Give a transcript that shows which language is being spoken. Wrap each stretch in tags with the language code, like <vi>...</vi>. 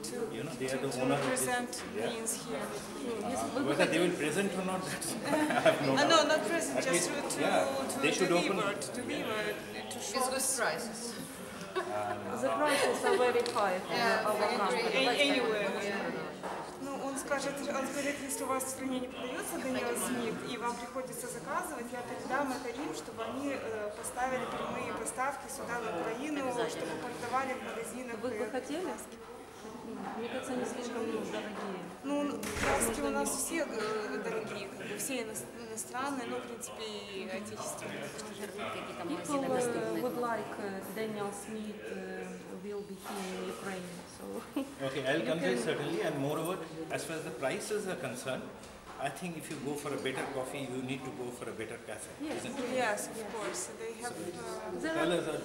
<en>You know, they are the owner of this. Whether they will present or not, that's, I have no doubt. No, not present, at just least, to, yeah, to they should deliver, open, to deliver, yeah, to show. It's good prices. The prices are very high for our company. Anywhere.</en> <ru>Скажет, он говорит, если у вас в стране не продается Даниэл Смит, и вам приходится заказывать, я передам это им, чтобы они поставили прямые поставки сюда, в Украину, чтобы продавали в магазинах. Вы хотели? Мне кажется, они слишком дорогие. Ну, краски у нас все дорогие, как бы все иностранные, но, в принципе, и отечественные.</ru> <en>People would like Daniel Smith will be here in Ukraine. Okay, I'll convey certainly, and moreover, as far as the prices are concerned, I think if you go for a better coffee, you need to go for a better cafe, yes, isn't it? Yes, of course. They have</en>